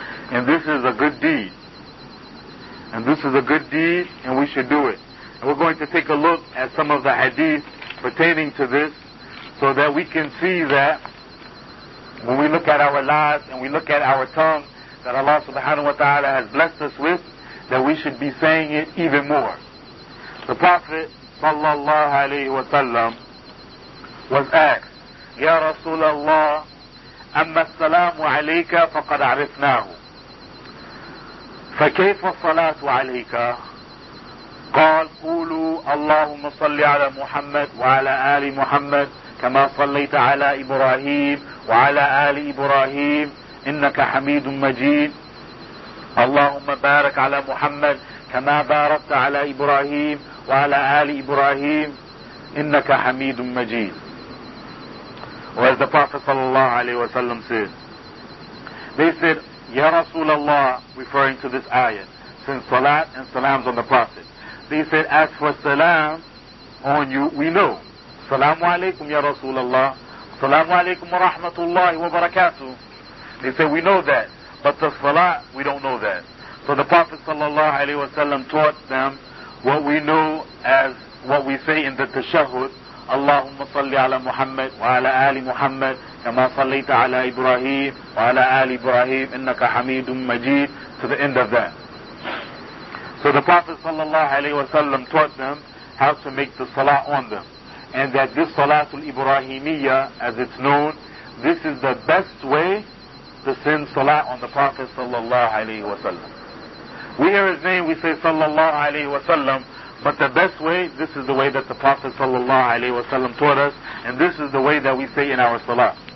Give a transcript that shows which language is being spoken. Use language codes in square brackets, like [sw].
[en] And this is a good deed. And this is a good deed, and we should do it. And we're going to take a look at some of the hadith pertaining to this so that we can see that when we look at our lives and we look at our tongue that Allah subhanahu wa ta'ala has blessed us with, that we should be saying it even more. The Prophet sallallahu alayhi wa sallam was asked, Ya Rasulallah, [ar] أما السلام عليك فقد عرفناه [en] فكيف الصلاة عليك قال قولوا اللهم صل على محمد وعلى آل محمد كما صليت على إبراهيم وعلى آل إبراهيم إنك حميد مجيد اللهم بارك على محمد كما باركت على إبراهيم وعلى آل إبراهيم إنك حميد مجيد. Or as the Prophet sallallahu alayhi wa sallam said, they said, Ya Rasulallah, referring to this ayah, since salat and salams on the Prophet. They said, as for salam on you, we know. Salamu alaykum ya Rasulallah. Salamu alaykum wa rahmatullahi wa barakatuh. They said, we know that. But the salat, we don't know that. So the Prophet sallallahu alayhi wa sallam taught them what we know as what we say in the tashahud. [ar] اللهم صل على محمد وعلى آل محمد كما صليت على إبراهيم وعلى آل إبراهيم إنك حميد مجيد [en] to the end of that. So the Prophet [ar] صلى الله عليه وسلم [en] taught them how to make the salah on them. And that this salah al-Ibrahimiyya, as it's known, this is the best way to send salah on the Prophet [ar] صلى الله عليه وسلم. [en] We hear his name, we say صلى الله عليه وسلم. But the best way, this is the way that the Prophet sallallahu alaihi wasallam taught us, and this is the way that we say in our salah.